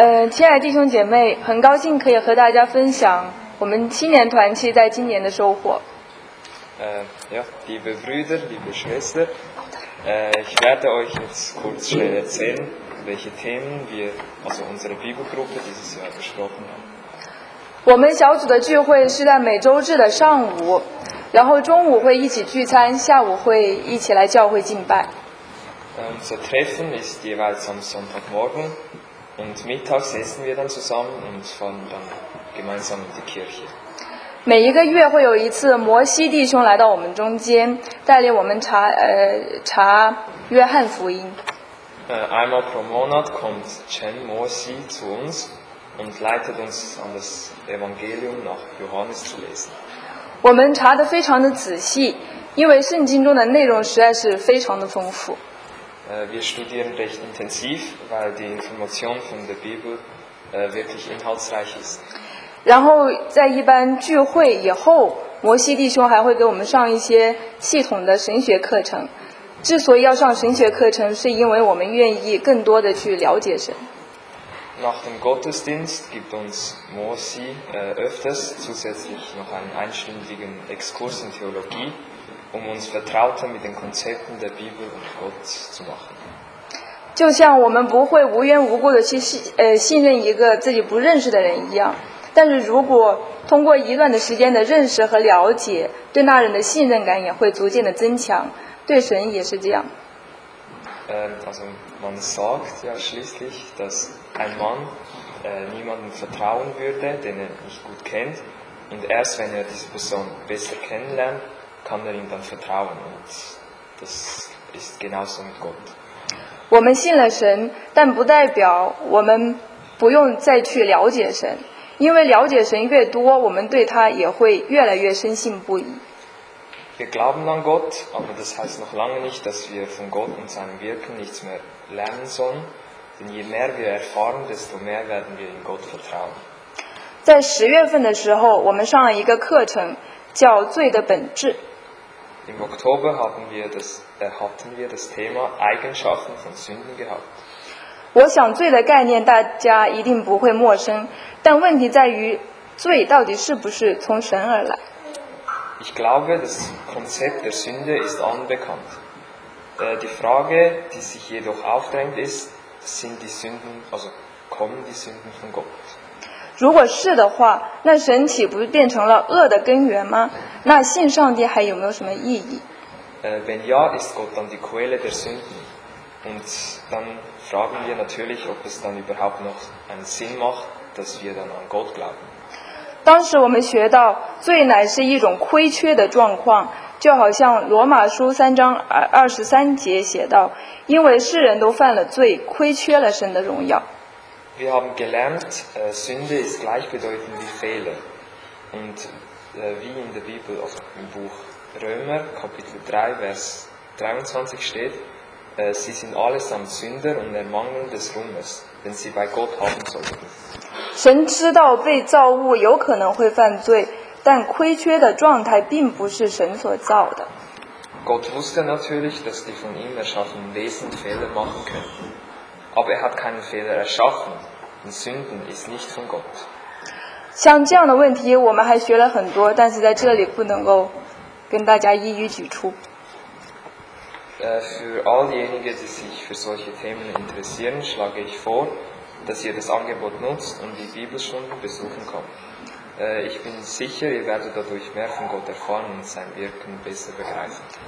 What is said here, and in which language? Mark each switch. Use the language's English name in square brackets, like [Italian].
[Chinese] 亲爱的弟兄姐妹，很高兴可以和大家分享我们青年团契在今年的收获。 [German] Liebe Brüder, liebe Schwester, ich werde euch jetzt kurz schnell erzählen, welche Themen wir, also unsere Bibelgruppe, dieses Jahr besprochen haben. [Chinese] 我们小组的聚会是在每周日的上午，然后中午会一起聚餐，下午会一起来教会敬拜。 [German] Unser Treffen ist jeweils am Sonntagmorgen und mittags essen wir dann zusammen und fahren dann gemeinsam in die Kirche. [Chinese] 每一个月会有一次，摩西弟兄来到我们中间，带领我们查查约翰福音。 [German] Einmal pro Monat kommt Chen Mosi zu uns und leitet uns an das Evangelium nach Johannes zu lesen. [Chinese] 我们查得非常的仔细，因为圣经中的内容实在是非常的丰富。 [German] Wir studieren recht intensiv, weil die Information von der Bibel wirklich inhaltsreich ist. [Chinese] 然后在一般聚会以后，摩西弟兄还会给我们上一些系统的神学课程。之所以要上神学课程，是因为我们愿意更多的去了解神。 [German] Nach dem Gottesdienst gibt uns Mosi öfters zusätzlich noch einen einstündigen Exkurs in Theologie, um uns vertrauter mit den Konzepten der Bibel und Gott zu machen. [Chinese] 就像我们不会无缘无故的去信任一个自己不认识的人一样，但是如果通过一段的时间的认识和了解，对那人的信任感也会逐渐的增强，对神也是这样。 [German] Also man sagt ja schließlich, dass ein Mann niemandem vertrauen würde, den er nicht gut kennt, und erst wenn er diese Person besser kennenlernt, kann er ihm dann vertrauen. Und das ist genauso mit Gott. [Chinese] 我们信了神，但不代表我们不用再去了解神，因为了解神越多，我们对他也会越来越深信不疑。 [German] Wir glauben an Gott, aber das heißt noch lange nicht, dass wir von Gott und seinem Wirken nichts mehr lernen sollen. Denn je mehr wir erfahren, desto mehr werden wir in Gott vertrauen. [Chinese] 在十月份的时候，我们上了一个课程，叫《罪的本质》。 [German] Im Oktober hatten wir das Thema Eigenschaften von Sünden gehabt. [Chinese] 我想罪的概念大家一定不会陌生，但问题在于，罪到底是不是从神而来？ [German] Ich glaube, das Konzept der Sünde ist unbekannt. Die Frage, die sich jedoch aufdrängt, ist, sind die Sünden, also kommen die Sünden von Gott? [Chinese] 如果是的话，那神岂不变成了恶的根源吗？那信上帝还有没有什么意义？ [German] Wenn ja, ist Gott dann die Quelle der Sünden? Und dann fragen wir natürlich, ob es dann überhaupt noch einen Sinn macht, dass wir dann an Gott glauben. [Chinese] 当时我们学到，罪乃是一种亏缺的状况，就好像罗马书三章二十三节写道：“因为世人都犯了罪，亏缺了神的荣耀。” [German] Wir haben gelernt, Sünde ist gleichbedeutend wie Fehler. Und wie in der Bibel, also im Buch Römer, Kapitel 3, Vers 23 steht, sie sind allesamt Sünder und ermangeln des Ruhmes, den sie bei Gott haben sollten. [Chinese] 神知道被造物有可能会犯罪，但亏缺的状态并不是神所造的。 [German] Gott wusste natürlich, dass die von ihm erschaffenen Wesen Fehler machen könnten, aber er hat keinen Fehler erschaffen. Und Sünden ist nicht von Gott. [Chinese] 像这样的问题，我们还学了很多，但是在这里不能够跟大家一一举出。 [German] Für all diejenigen, die sich für solche Themen interessieren, schlage ich vor. Dass ihr das Angebot nutzt und die Bibelstunden besuchen kommt. Ich bin sicher, ihr werdet dadurch mehr von Gott erfahren und sein Wirken besser begreifen.